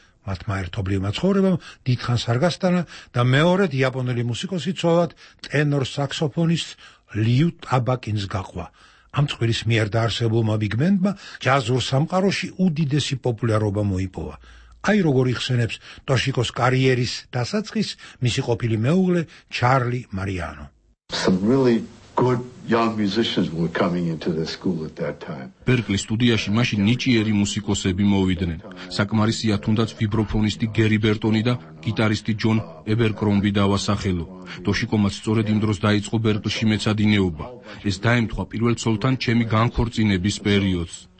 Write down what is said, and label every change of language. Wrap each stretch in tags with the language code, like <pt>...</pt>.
<ka>მათ მაერთობლივმა ცხოვრებამ დიდხანს არ გასტანა და მეორედ იაპონელი მუსიკოსი ცოლად ტენორ საქსოფონისტ ლიუ ტაბაკინს გაყვა. ამ წყვილის მიერ დაარსებულმა ბიგბენდმა ჯაზურ სამყაროში უდიდესი პოპულარობა მოიპოვა. აი როგორ იხსენებს ტოშიკოს კარიერის დასაწყის მისი ყოფილი მეუღლე ჩარლი მარიანო.</ka> <en>Good young musicians were coming into the school at that time.</en> <ka>Berkeley სტუდიაში მაშინ ნიჭიერი მუსიკოსები მოვიდნენ. საკმარისია თუნდაც ვიბროფონისტი გერი ბერტონი და გიტარისტი ჯონ ებერკრომბი დავასახელო. ტოშიკომაც სწორედ იმ დროს დაიწყო ბერკლში მეცადინეობა. ეს დაემთხვა პირველ ცოლთან ჩემი განქორწინების პერიოდს.</ka>